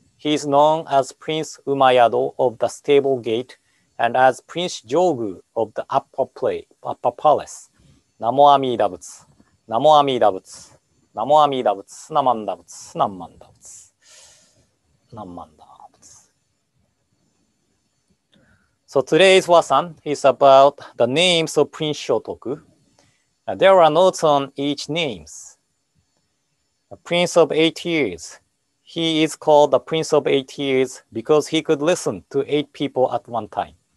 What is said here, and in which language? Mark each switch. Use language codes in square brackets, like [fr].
[en] He is known as Prince Umayado of the Stable Gate and as Prince Jogu of the Upper Palace. [ja] ナモアミーダブツ、ナモアミーダブツ、ナモアミーダブツ、ナマンダブツ、ナマンダブツ、ナマンダ。 [en] So today's Wasan is about the names of Prince Shotoku. There are notes on each names. A Prince of Eight Ears. He is called the Prince of Eight Ears because he could listen to eight people at one time.